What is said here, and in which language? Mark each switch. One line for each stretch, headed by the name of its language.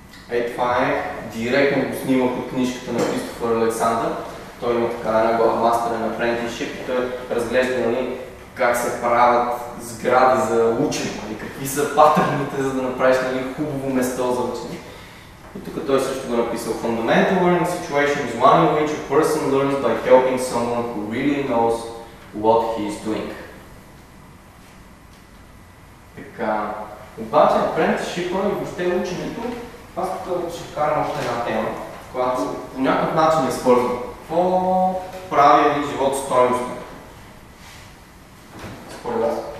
Bulgarian: Ей, това е директно го снимах от книжката на Кристофър Александър. Той има така една глава мастер на Apprenticeship. Той разглежда, нали, как се правят сгради за учени. Нали, какви са патърните, за да направиш, нали, хубаво место за учени. И тук той също го написал.
English: Fundamental learning situation is one in which a person learns by helping someone who really knows what he is doing.
Bulgarian: Така, обаче apprenticeship-а и въобще ученето, аз като ще вкарам още една тема, която по някакъв начин е свързана. Какво прави един живот стойностно? Според вас?